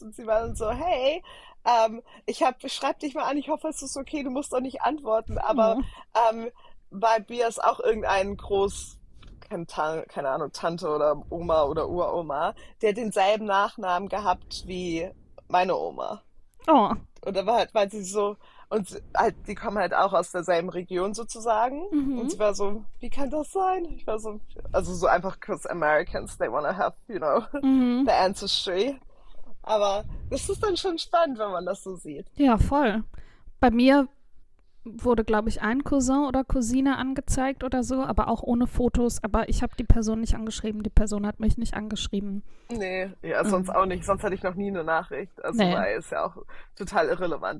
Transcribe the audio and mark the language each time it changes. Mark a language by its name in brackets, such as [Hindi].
[German] Und sie waren so, hey, schreib dich mal an, ich hoffe, es ist okay, du musst doch nicht antworten, aber, bei mir ist auch irgendein keine Ahnung, Tante oder Oma oder Uroma, der denselben Nachnamen gehabt wie meine Oma. Oh. Und da war halt, weil sie so, und halt, die kommen halt auch aus derselben Region sozusagen. Und sie war so, wie kann das sein? Ich war so, also so einfach, [English] because Americans, they want to have, you know, the ancestry. [German] Aber das ist dann schon spannend, wenn man das so sieht. Ja, voll. Bei mir wurde, glaube ich, ein Cousin oder Cousine angezeigt oder so, aber auch ohne Fotos. Aber ich habe die Person nicht angeschrieben. Die Person hat mich nicht angeschrieben. Nee, ja, sonst auch nicht. Sonst hatte ich noch nie eine Nachricht. Also, weil ist ja auch total irrelevant.